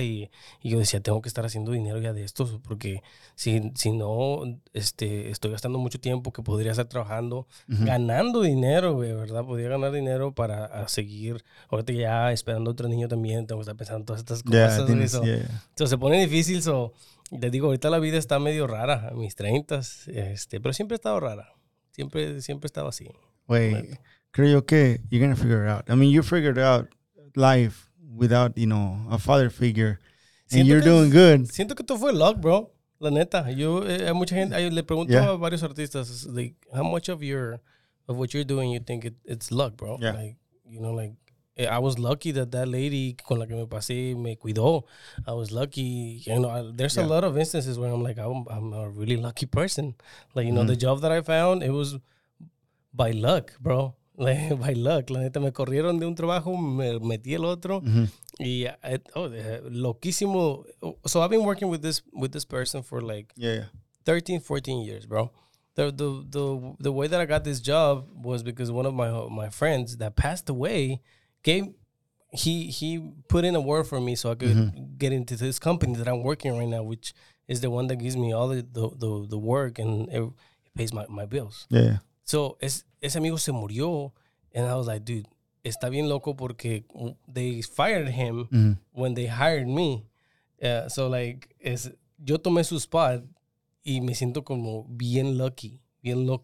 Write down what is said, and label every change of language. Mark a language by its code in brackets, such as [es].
[es] Y yo decía, tengo que estar haciendo dinero ya de esto. Porque si no, estoy gastando mucho tiempo que podría estar trabajando, ganando dinero, güey, ¿verdad? Podría ganar dinero para seguir. Ahorita ya esperando otro niño también. Tengo que estar pensando todas estas cosas. Entonces, se pone difícil, Te digo, ahorita la vida está medio rara, a mis 30s, pero siempre he estado rara. Siempre he estado así. [en] Wait, [es] creo yo que [en] you're going to figure it out. I mean, you figured out life without, you know, a father figure. Siento and you're que, doing good. [es] Siento que tú fue luck, bro. La neta. Yo le pregunto a varios artistas, [en] like, how much of what you're doing you think it's luck, bro? Yeah. Like, you know, like, I was lucky that lady [es] con la que me pasé me cuidó. [en] I was lucky. You know, there's a lot of instances where I'm like, I'm a really lucky person. Like, you know, the job that I found, it was by luck, bro. Like, by luck. [es] La neta, me corrieron de un trabajo, me metí el otro. Loquísimo. [en] So I've been working with this person for like 13, 14 years, bro. The way that I got this job was because one of my friends that passed away he put in a word for me so I could get into this company that I'm working right now, which is the one that gives me all the work and it pays my bills. Yeah. So [es] ese amigo se murió, [en] and I was like, dude, [es] está bien loco porque [en] they fired him when they hired me. [es] So like, yo tomé su spot y me siento como bien lucky que